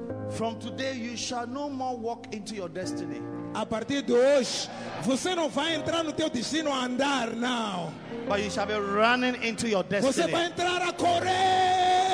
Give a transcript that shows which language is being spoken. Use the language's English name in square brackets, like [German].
[English] From today you shall no more walk into your destiny. [Portuguese] A partir de hoje, você não vai entrar no teu destino a andar now. [English] But you shall be running into your destiny. [Portuguese] Você vai entrar a correr.